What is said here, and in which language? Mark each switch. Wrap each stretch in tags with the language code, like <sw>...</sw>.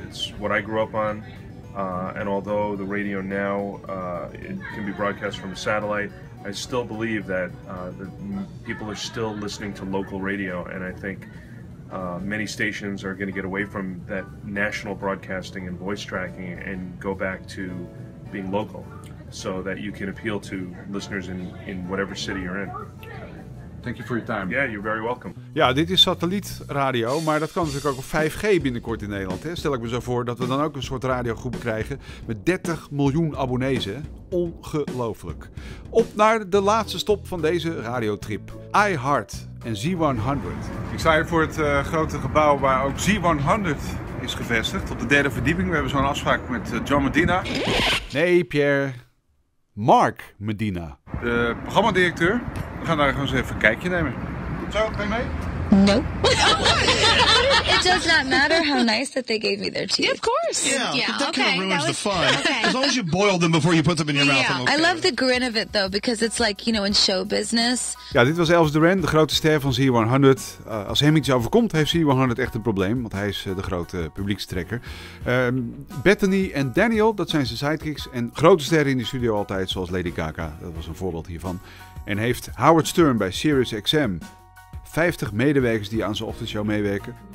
<en>It's what I grew up on, and although the radio now it can be broadcast from a satellite, I still believe that people are still listening to local radio, and I think many stations are going to get away from that national broadcasting and voice tracking and go back to being local, so that you can appeal to listeners in whatever city you're in. Thank you for your time. Yeah, you're very welcome.</en> <nl>Ja, dit is satellietradio, maar dat kan natuurlijk ook op 5G binnenkort in Nederland. Hè? Stel ik me zo voor dat we dan ook een soort radiogroep krijgen met 30 miljoen abonnees. Hè? Ongelooflijk. Op naar de laatste stop van deze radiotrip. iHeart en Z100. Ik sta hier voor het grote gebouw waar ook Z100 is gevestigd. Op de derde verdieping. We hebben zo'n afspraak met John Medina. Nee, Pierre. Mark Medina. De programmadirecteur. We gaan daar gewoon eens even een kijkje nemen. Zo, ben je mee?</nl> <en>No. It does not matter how nice that they gave me their teeth. Yeah, of course. Yeah, that kind of ruins the fun. Okay. As long as you boil them before you put them in your mouth. Okay. I love the grin of it though, because it's like, you know, in show business.</en> <nl>Ja, dit was Elvis Duran, de grote ster van Z100. Als hem iets overkomt, heeft Z100 echt een probleem, want hij is de grote publiekstrekker. Bethany en Daniel, dat zijn zijn sidekicks. En grote sterren in de studio altijd, zoals Lady Gaga. Dat was een voorbeeld hiervan. En heeft Howard Stern bij Sirius XM 50 medewerkers die aan zijn ochtendshow meewerken.</nl>